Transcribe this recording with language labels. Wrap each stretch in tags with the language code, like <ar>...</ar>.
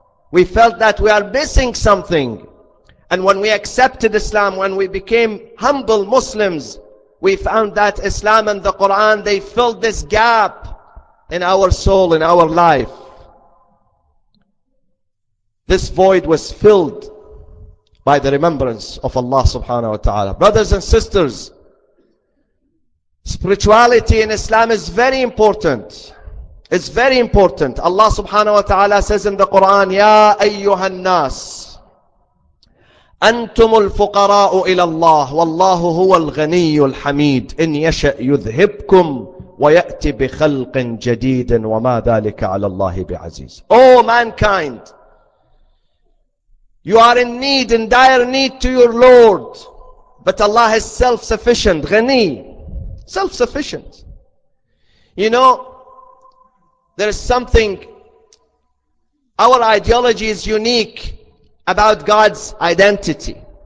<en>We felt that we are missing something. And when we accepted Islam, when we became humble Muslims, we found that Islam and the Quran, they filled this gap in our soul, in our life. This void was filled by the remembrance of Allah subhanahu wa ta'ala. Brothers and sisters, spirituality in Islam is very important. It's very important. Allah subhanahu wa ta'ala says in the Quran,</en> <ar>يَا أَيُّهَا النَّاسِ أَنْتُمُ الْفُقَرَاءُ إِلَى اللَّهِ وَاللَّهُ هُوَ الْغَنِيُّ الْحَمِيدُ إِنْ يَشَأْ يُذْهِبْكُمْ وَيَأْتِ بِخَلْقٍ جَدِيدٍ وَمَا ذَلِكَ عَلَى اللَّهِ بِعَزِيزٍ.</ar> <en>Oh mankind, you are in need, in dire need to your Lord. But Allah is self-sufficient, غني, self-sufficient. You know, there is something, our ideology is unique about God's identity.</en>